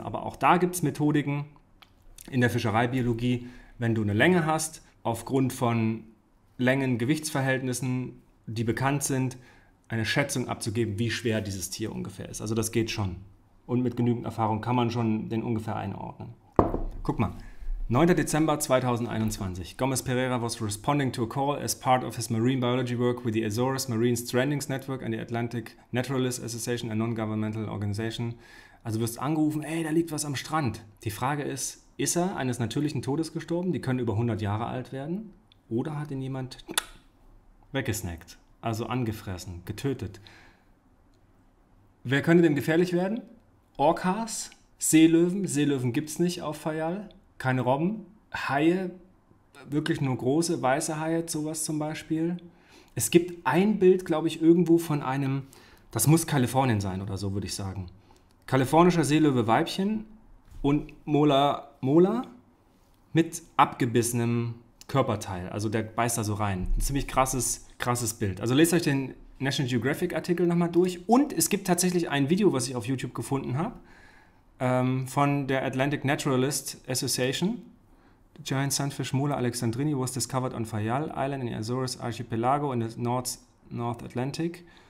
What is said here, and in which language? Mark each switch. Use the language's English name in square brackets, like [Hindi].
[German] Aber auch da gibt es Methodiken in der Fischereibiologie. Wenn du eine Länge hast, aufgrund von Längen, Gewichtsverhältnissen, die bekannt sind, eine Schätzung abzugeben, wie schwer dieses Tier ungefähr ist. Also das geht schon. Und mit genügend Erfahrung kann man schon den ungefähr einordnen. Guck mal, 9. Dezember 2021. [English] Gomez Pereira was responding to a call as part of his marine biology work with the Azores Marine Strandings Network and the Atlantic Naturalist Association, a non-governmental organization. [German] Also wirst angerufen, ey, da liegt was am Strand. Die Frage ist, ist er eines natürlichen Todes gestorben? Die können über 100 Jahre alt werden. Oder hat ihn jemand weggesnackt, also angefressen, getötet? Wer könnte dem gefährlich werden? Orcas, Seelöwen, Seelöwen gibt es nicht auf Fayal, keine Robben, Haie, wirklich nur große weiße Haie, sowas zum Beispiel. Es gibt ein Bild, glaube ich, irgendwo von einem, das muss Kalifornien sein oder so, würde ich sagen. Kalifornischer Seelöwe-Weibchen und Mola mit abgebissenem Körperteil, also der beißt da so rein. Ein ziemlich krasses Bild. Also lest euch den National Geographic-Artikel nochmal durch. Und es gibt tatsächlich ein Video, was ich auf YouTube gefunden habe, von der Atlantic Naturalist Association. [English] The giant sunfish Mola alexandrini was discovered on Fayal Island in the Azores Archipelago in the North Atlantic.